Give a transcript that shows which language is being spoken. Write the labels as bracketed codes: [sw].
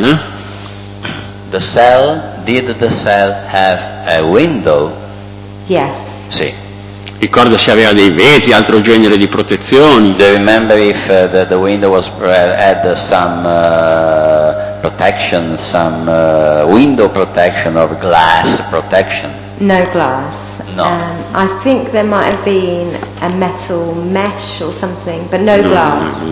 [en] The cell, did the cell have a window? Yes. [it] Sì. Ricorda se aveva dei vetri, altro genere di protezioni. [en] Do you remember if the window was had some protection, some window protection or glass protection? No glass. No. I think there might have been a metal mesh or something, but no glass.